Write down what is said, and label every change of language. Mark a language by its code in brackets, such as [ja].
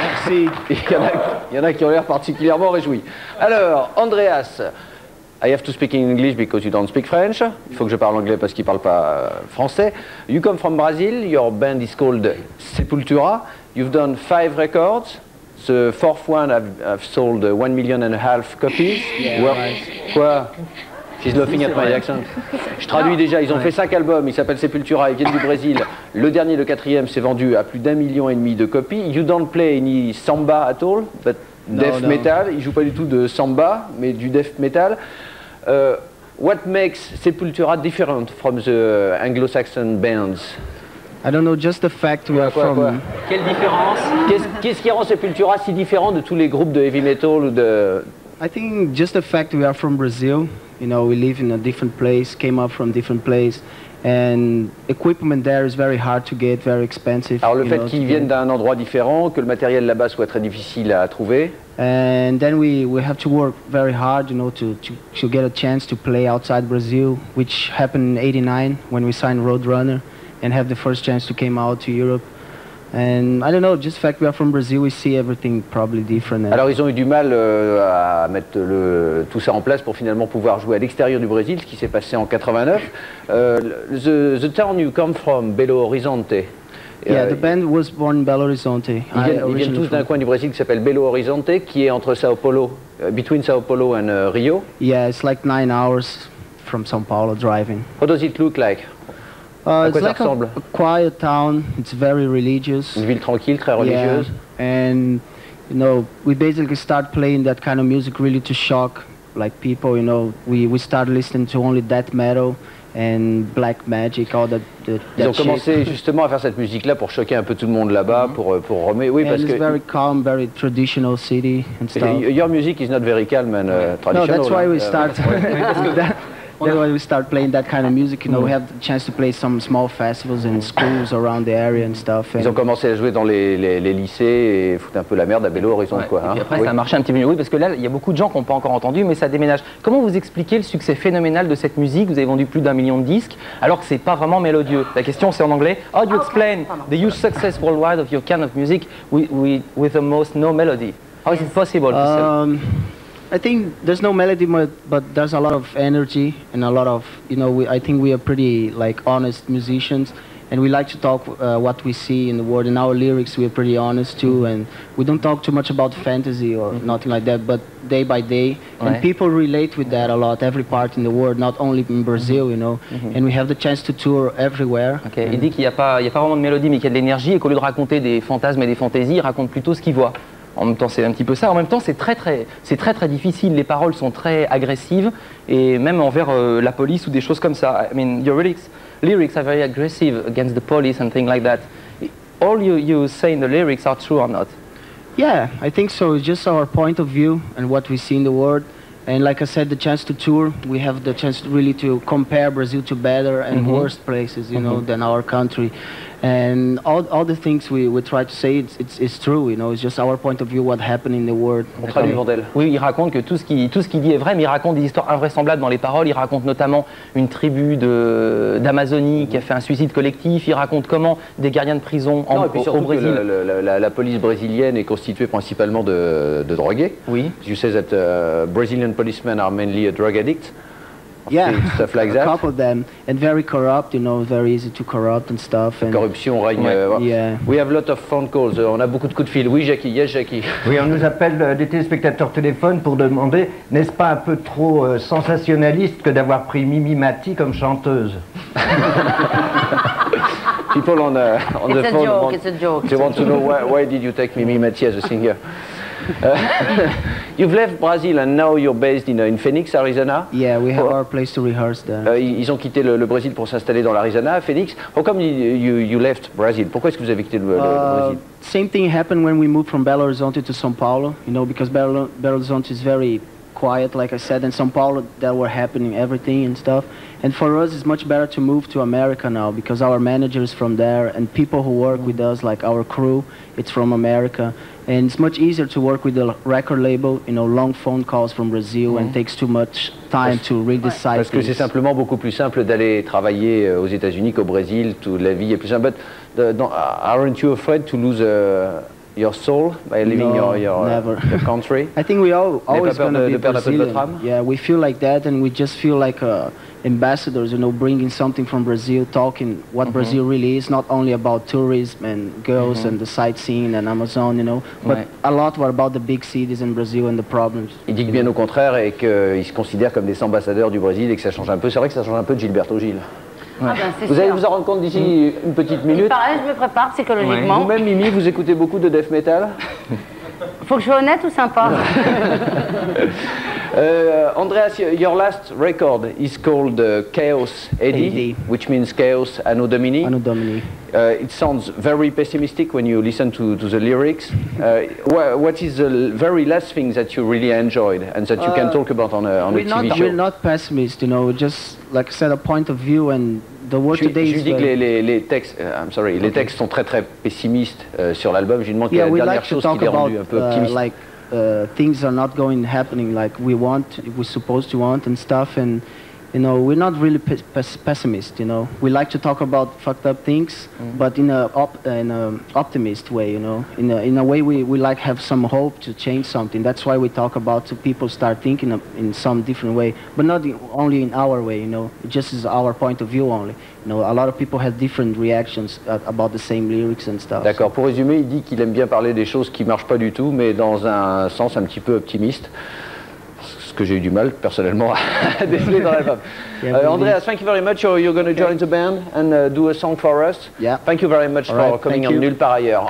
[fr] Il y en a qui ont l'air particulièrement réjouis. [en] Alors, Andreas, I have to speak in English because you don't speak French. [fr] Il faut que je parle anglais parce qu'il ne parle pas français. [en] You come from Brazil, your band is called Sepultura. You've done 5 records. The 4th one I've sold 1.5 million copies. Yeah, well, right. [fr] Quoi? [en] She's laughing at my accent. [fr] Je traduis non. Déjà, ils ont ouais. Fait 5 albums, ils s'appellent Sepultura, ils viennent du Brésil. Le dernier, le quatrième, s'est vendu à plus d'1.5 million de copies. [en] You don't play any samba at all, but non, death non. Metal. [fr] Ils jouent pas du tout de samba, mais du death metal. [en] What makes Sepultura different from the Anglo-Saxon bands? I don't know, just the fact we are from... [fr] Quoi. Quelle différence? Qu'est-ce qui rend Sepultura si différent de tous les groupes de heavy metal ou de... [en] I think just the fact we are from Brazil. You know, we live in a different place, came up from different place, and equipment there is very hard to get, very expensive. [fr] Alors le fait qu'ils viennent d'un endroit différent, que le matériel là-bas soit très difficile à trouver. [en] And then we have to work very hard, you know, to get a chance to play outside Brazil, which happened in 89 when we signed Roadrunner and have the first chance to came out to Europe. And I don't know, just the fact we are from Brazil, we see everything probably different. [fr] Alors ils ont eu du mal à mettre tout ça en place pour finalement pouvoir jouer à l'extérieur du Brésil, ce qui s'est passé en 89. [en] The town you come from, Belo Horizonte. Yeah, the band was born in Belo Horizonte. [fr] Ils viennent tous d'un coin du Brésil qui s'appelle Belo Horizonte, qui est entre Sao Paulo, [en] between Sao Paulo and Rio. Yeah, it's like 9 hours from Sao Paulo driving. What does it look like? It's like a quiet town. It's very religious. [fr] Une ville tranquille, très religieuse. [en] Yeah. And you know, we basically start playing that kind of music really to shock like people. You know, we start listening to only death metal and black magic, all that. [fr] Ils ont commencé justement à faire cette musique-là pour choquer un peu tout le monde là-bas, pour remettre. Oui, [en] and [fr] parce [en] it's [fr] que. [en] It's very calm, very traditional city and stuff. Your music is not very calm and traditional. No, that's why we start. That's why we start playing that kind of music, you know, we have the chance to play some small festivals in schools around the area and stuff. [fr] Ils ont commencé à jouer dans les lycées et foutre un peu la merde à Belo Horizonte, ouais. Quoi. Et puis après, hein. Ça a marché un petit peu mieux, oui, parce que là, il y a beaucoup de gens qui n'ont pas encore entendu, mais ça déménage. Comment vous expliquez le succès phénoménal de cette musique? Vous avez vendu plus d'1 million de disques, alors que c'est pas vraiment mélodieux. La question, c'est en anglais. [en] How do you explain the huge success worldwide of your kind of music with the most no melody? How is it possible to sell? I think there's no melody, but there's a lot of energy and a lot of, you know, I think we are pretty like honest musicians and we like to talk what we see in the world. In our lyrics, we are pretty honest too, and we don't talk too much about fantasy or nothing like that, but day by day, and people relate with that a lot, every part in the world, not only in Brazil, you know, and we have the chance to tour everywhere. Okay. [fr] Il dit qu'il n'y a pas vraiment de mélodie, mais qu'il y a de l'énergie, et qu'au lieu de raconter des fantasmes et des fantaisies, il raconte plutôt ce qu'il voit. En même temps, c'est un petit peu ça. En même temps, c'est très très difficile. Les paroles sont très agressives et même envers la police ou des choses comme ça. [en] I mean, your lyrics are very aggressive against the police and things like that. All you say in the lyrics are true or not? Yeah, I think so. It's just our point of view and what we see in the world. And like I said, the chance to tour, we have the chance really to compare Brazil to better and worse places, you know, than our country. And all the things we try to say, it's true, you know, it's just our point of view, what happened in the world. [fr] On traduit pour elle. Oui, il raconte que tout ce qu'il dit est vrai, mais il raconte des histoires invraisemblables dans les paroles. Il raconte notamment une tribu d'Amazonie qui a fait un suicide collectif. Il raconte comment des gardiens de prison au Brésil. La police brésilienne est constituée principalement de drogués. Oui. [en] You say that Brazilian policemen are mainly a drug addict. Yeah, stuff like that. A couple of them, and very corrupt, you know, very easy to corrupt and stuff. And [fr] corruption règne. [en] Yeah. We have a lot of phone calls, [fr] on a beaucoup de coups de fil. Oui, [en] Jackie, yes, Jackie. [fr] Oui, on nous appelle des téléspectateurs téléphone pour demander, n'est-ce pas un peu trop sensationnaliste que d'avoir pris Mimi Mati comme chanteuse? [en] People on the phone. It's a joke, it's a joke. They want to know why did you take Mimi Mati as a singer? you've left Brazil and now you're based in Phoenix, Arizona. Yeah, we have our place to rehearse there. [fr] Ils ont quitté le Brésil pour s'installer dans l'Arizona, à Phoenix. [en] How come you left Brazil? [fr] Pourquoi est-ce que vous avez quitté le Brésil? [en] Same thing happened when we moved from Belo Horizonte to São Paulo, you know, because Belo Horizonte is very quiet, like I said, in São Paulo that were happening, everything and stuff. And for us, it's much better to move to America now because our manager is from there and people who work with us, like our crew, it's from America. And it's much easier to work with the record label, you know, long phone calls from Brazil and takes too much time to redesign. Parce que c'est simplement beaucoup plus simple d'aller travailler aux États-Unis qu'au Brésil, toute la vie est plus simple. But aren't you afraid to lose your soul by leaving your country? I think we all always going to be Brazilian. Yeah, we feel like that and we just feel like ambassadors, you know, bringing something from Brazil, talking what Brazil really is, not only about tourism and girls and the sightseeing and Amazon, you know, but a lot were about the big cities in Brazil and the problems. [fr] Il dit que bien au contraire et qu'il se considère comme des ambassadeurs du Brésil et que ça change un peu. C'est vrai que ça change un peu de Gilberto Gil. Ah vous allez vous en rendre compte d'ici une petite minute. Pareil, je me prépare psychologiquement. Ouais. Vous-même, Mimi, vous écoutez beaucoup de death metal. Faut que je sois honnête ou sympa. [en] Andreas, your last record is called Chaos AD, which means Chaos Anno Domini. Anno Domini. It sounds very pessimistic when you listen to the lyrics. What is the very last thing that you really enjoyed and that you can talk about on a TV not, show? We're not pessimist, you know, just like I said, a point of view and the world today [fr] je dis que les textes, [en] I'm sorry, [fr] les textes sont très très pessimistes sur l'album. Je lui demande quelle est la dernière chose qui l'a rendu un peu optimiste. [en] Like, things are not going happening like we want, we're supposed to want and stuff and you know, we're not really pessimist, you know. We like to talk about fucked up things, but in a optimist way, you know. In a way we like have some hope to change something. That's why we talk about to people start thinking in some different way, but not only in our way, you know. It just is our point of view only. You know, a lot of people have different reactions about the same lyrics and stuff. [fr] D'accord. Pour résumer, il dit qu'il aime bien parler des choses qui marchent pas du tout, mais dans un sens un petit peu optimiste. Que j'ai eu du mal personnellement à déceler dans l'album. [en] Andreas, thank you very much. You're going to join the band and do a song for us. Yeah. Thank you very much for coming on Nulle Part Ailleurs.